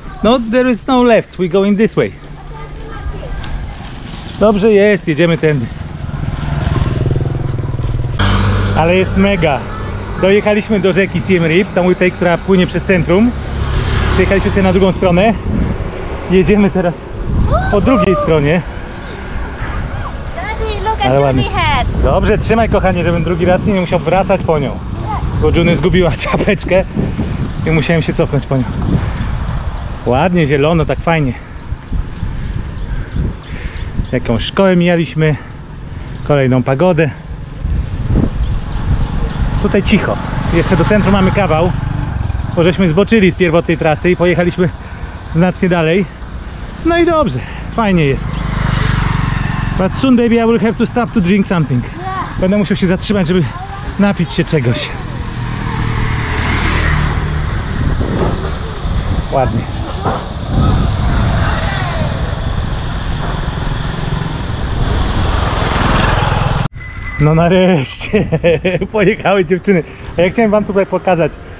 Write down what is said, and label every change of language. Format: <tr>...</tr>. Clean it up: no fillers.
<en>No, there is no left, we go in this way.</en> <pl>Dobrze jest, jedziemy tędy. Ale jest mega. Dojechaliśmy do rzeki Siem Reap, tej, która płynie przez centrum. Przejechaliśmy sobie na drugą stronę. Jedziemy teraz po drugiej stronie.</pl> <en>Daddy, look</en> <pl>Ale ładnie. Dobrze, trzymaj kochanie, żebym drugi raz nie musiał wracać po nią. Bo Juny zgubiła czapeczkę i musiałem się cofnąć po nią. Ładnie, zielono, tak fajnie. Jaką szkołę mijaliśmy. Kolejną pagodę. Tutaj cicho. Jeszcze do centrum mamy kawał. Bo żeśmy zboczyli z pierwotnej trasy i pojechaliśmy znacznie dalej. No i dobrze, fajnie jest.</pl> <en>But soon baby I will have to stop to drink something.</en> <pl>Będę musiał się zatrzymać, żeby napić się czegoś. Ładnie. No nareszcie, pojechały dziewczyny. A ja chciałem wam tutaj pokazać.</pl>